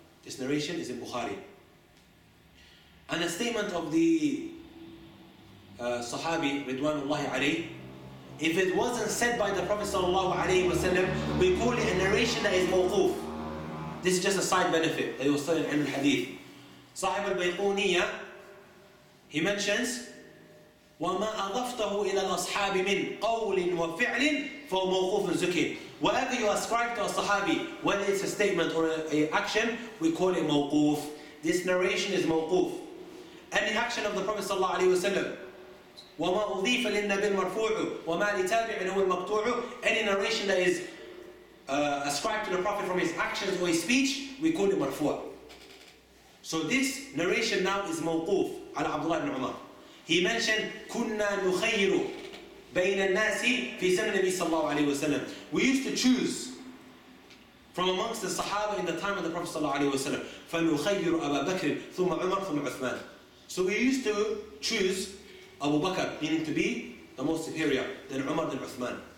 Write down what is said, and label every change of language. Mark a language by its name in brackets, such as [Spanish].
[English] This narration is in Bukhari. And a statement of the Sahabi, Ridwanullahi alayhi, if it wasn't said by the Prophet sallallahu alayhi wa sallam, we call it a narration that is mawquf. This is just a side benefit that he was telling in the hadith. [Arabic] Sahib al-Bayquniya, he mentions, وَمَا أَضَفْتَهُ إِلَى الْأَصْحَابِ مِنْ قَوْلٍ وَفِعْلٍ فَوْمَوْقُوفٍ زُكِيٍ. [English] Whatever you ascribe to a Sahabi, whether it's a statement or an action, we call it mawquf. This narration is mawquf. Any action of the Prophet sallallahu alayhi wa sallam, وَمَا أُضِيفَ لِلنَّبِي الْمَرْفُوعُ وَمَا لِتَابِعٍ هُوَ الْمَقْتُوعُ. Any narration that is ascribed to the Prophet from his actions or his speech, we call it marfu'. So this narration now is mawquf على Abdullah ibn Umar. [Arabic] He mentioned, كُنَّا نُخَيِّرُ بَيْنَ النَّاسِ فِي زَمْنِ نَبِي صلى الله عليه وسلم. [English] We used to choose from amongst the Sahaba in the time of the Prophet صلى الله عليه وسلم. [Arabic] فَنُخَيِّرُ أَبَا بَكْرٍ ثُمَّ عُمَرٍ ثُمَّ عُثْمَانٍ. [English] So we used to choose Abu Bakr, meaning to be the most superior, then Umar, then Uthman.